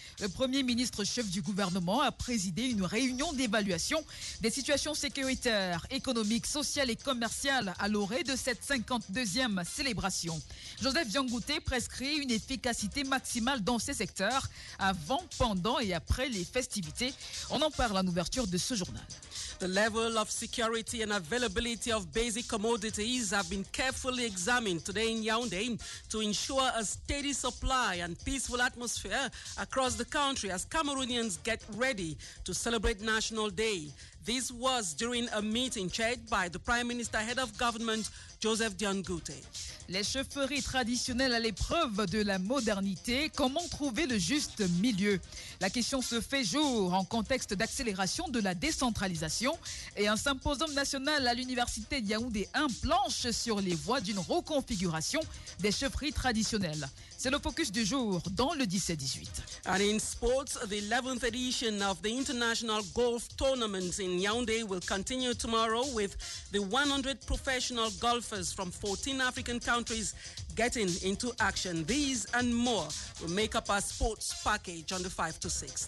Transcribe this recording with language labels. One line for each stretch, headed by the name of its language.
French: Le premier ministre chef du gouvernement a présidé une réunion d'évaluation des situations sécuritaires, économiques, sociales et commerciales à l'orée de cette 52e célébration. Joseph Diangouté prescrit une efficacité maximale dans ces secteurs avant, pendant et après les festivités. On en parle en ouverture de ce journal.
English: The level of security and availability of basic commodities have been carefully examined today in Yaoundé to ensure a steady supply and peaceful atmosphere across the country as Cameroonians get ready to celebrate National Day. This was during a meeting chaired by the Prime Minister, Head of Government, Joseph Diangouté.
French: Les chaufferies traditionnelles à l'épreuve de la modernité, comment trouver le juste milieu? La question se fait jour en contexte d'accélération de la décentralisation et un symposium national à l'Université Yaoundé 1 planche sur les voies d'une reconfiguration des chaufferies traditionnelles. C'est le focus du jour dans le 17-18.
English: And in sports, the 11th edition of the International Golf Tournament in Yaoundé will continue tomorrow with the 100 professional golfers from 14 African countries getting into action. These and more will make up our sports package on the 5 to 6.